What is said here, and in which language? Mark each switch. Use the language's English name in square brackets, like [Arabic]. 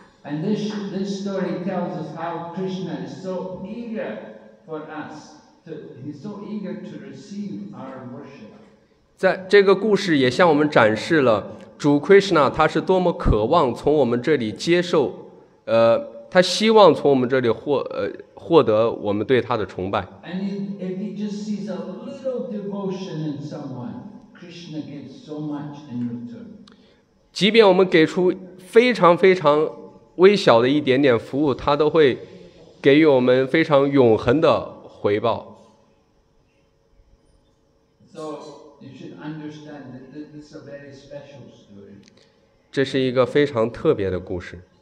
[English] And this story tells us how Krishna is so eager for us to, he's so eager to receive our worship. [Chinese] 在这个故事也向我们展示了主 Krishna 他是多么渴望从我们这里接受，他希望从我们这里获得我们对他的崇拜。 [English] And if he just sees a little devotion in someone, Krishna gives so much in return. [Chinese] 即便我们给出非常非常微小的一点点服务，他都会给予我们非常永恒的回报。 [English] So you should understand that this is a very special story. [Chinese] 这是一个非常特别的故事。